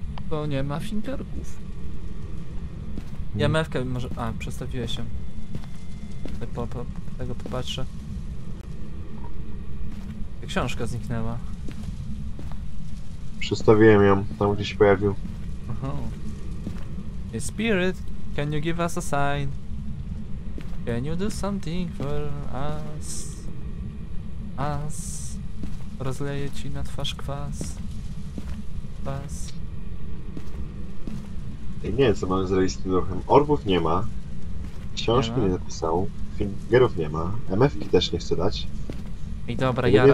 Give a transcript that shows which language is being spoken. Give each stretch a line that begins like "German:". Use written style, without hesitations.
Polish: To nie ma Fingerków. Ja mewkę może... A, przestawiłeś się. Tego popatrzę. Książka zniknęła. Przestawiłem ją, tam gdzieś się pojawił. Aha.
English: Hey Spirit, can you give us a sign? Can you do something for us? Us?
Polish: Rozleję ci na twarz kwas. Kwas. Ej, nie wiem, co mamy zrobić z tym duchem. Orbów nie ma. Książki nie zapisał. Fingerów nie ma. MF-ki też nie chce dać. I dobra,